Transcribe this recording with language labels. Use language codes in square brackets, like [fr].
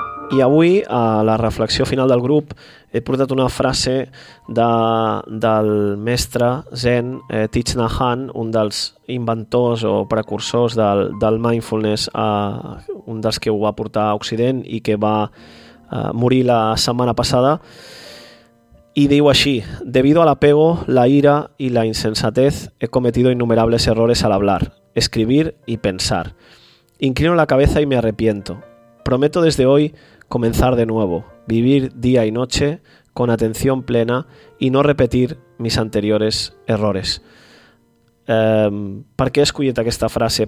[ca] I avui, a la reflexió final del grup, he portat una frase del mestre Zen Thich Nhat Hanh, un dels inventors o precursors del mindfulness, un dels que ho va portar a Occident i que va morir la setmana passada. [es] I diu així: "Debido al apego, la ira y la insensatez, he cometido innumerables errores al hablar, escribir y pensar. Inclino la cabeza y me arrepiento. Prometo desde hoy comenzar de nuevo, vivir día y noche con atención plena y no repetir mis anteriores errores." [ca] Per què he escollit aquesta frase?